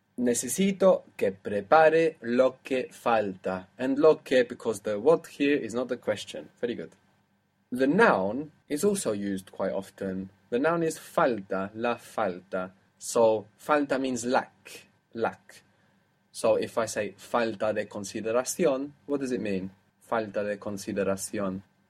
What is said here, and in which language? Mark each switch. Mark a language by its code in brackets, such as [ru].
[es] Necesito que prepare lo que falta. [en] And lo que, because the what here is not a question. Very good. The noun is also used quite often. The noun is falta, la falta. So, falta means lack, lack. So, if I say [es] falta de consideración, [en] what does it mean? [es] Falta de consideración.